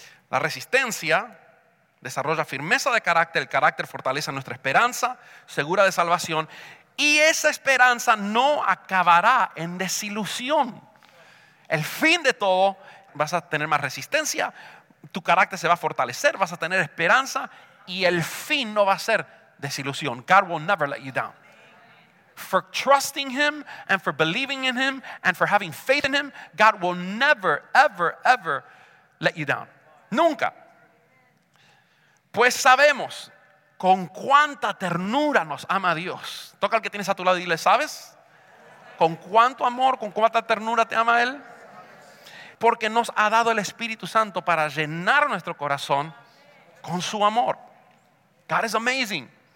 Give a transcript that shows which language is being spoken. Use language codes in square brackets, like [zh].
[es] La resistencia desarrolla firmeza de carácter, el carácter fortalece nuestra esperanza segura de salvación, y esa esperanza no acabará en desilusión. El fin de todo, vas a tener más resistencia, tu carácter se va a fortalecer, vas a tener esperanza, y el fin no va a ser desilusión. [en] God will never let you down. For trusting Him and for believing in Him and for having faith in Him, God will never, ever, ever let you down. [es] Nunca. Pues sabemos con cuánta ternura nos ama Dios. Toca al que tienes a tu lado y dile, ¿sabes? ¿Con cuánto amor, con cuánta ternura te ama Él? Porque nos ha dado el Espíritu Santo para llenar nuestro corazón con su amor. [en] God is amazing.